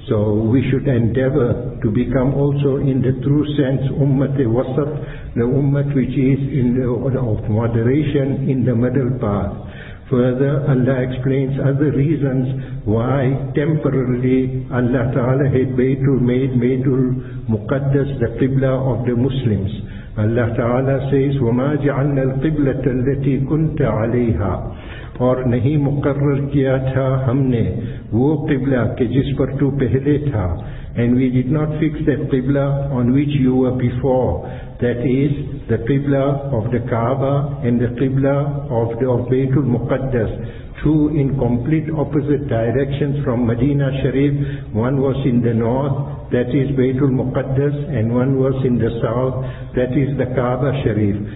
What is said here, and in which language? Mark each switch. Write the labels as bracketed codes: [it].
[en] So we should endeavor to become also in the true sense ummat-e-wasat, the ummah which is in the of moderation in the middle path. Further, Allah explains other reasons why temporarily Allah Ta'ala had Baytul Muqaddas the Qibla of the Muslims. Allah Ta'ala says, [ar] وَمَا جَعَلْنَا الْقِبْلَةَ الَّتِي كُنْتَ عَلَيْهَا. [ur] اور نہیں مقرر کیا تھا ہم نے وہ قبلہ کہ جس پر تو پہلے تھا. [en] And we did not fix that Qibla on which you were before. That is the Qibla of the Kaaba and the Qibla of the of Baytul Muqaddas, two in complete opposite directions from Medina Sharif. One was in the north, that is Baytul Muqaddas, and one was in the south, that is the Kaaba Sharif.